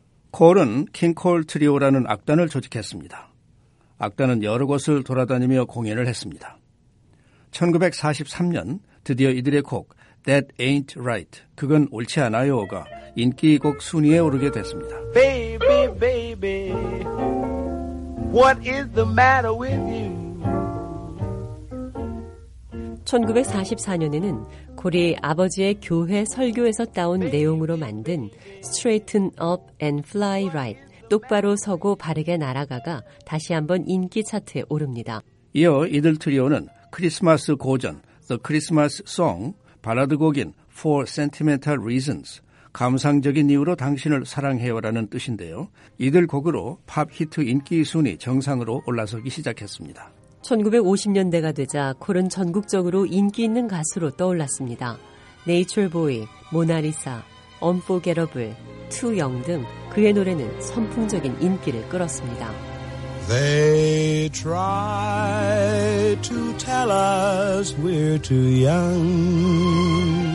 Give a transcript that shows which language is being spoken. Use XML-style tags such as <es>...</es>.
<ko>콜은 킹콜 트리오라는 악단을 조직했습니다. 악단은 여러 곳을 돌아다니며 공연을 했습니다. 1943년 드디어 이들의 곡 That Ain't Right, 그건 옳지 않아요가 인기곡 순위에 오르게 됐습니다.</ko> <en>Baby, baby, what is the matter with you?</en> <ko>1944년에는 콜이 아버지의 교회 설교에서 따온 내용으로 만든 Straighten Up and Fly Right, 똑바로 서고 바르게 날아가가 다시 한번 인기 차트에 오릅니다. 이어 이들 트리오는 크리스마스 고전 The Christmas Song, 발라드 곡인 For Sentimental Reasons, 감상적인 이유로 당신을 사랑해요라는 뜻인데요. 이들 곡으로 팝 히트 인기 순위 정상으로 올라서기 시작했습니다. 1950년대가 되자 콜은 전국적으로 인기 있는 가수로 떠올랐습니다. 네이처보이, 모나리사, 언포게러블, 투영 등 그의 노래는 선풍적인 인기를 끌었습니다.</ko> <en>They try to tell us we're too young.</en>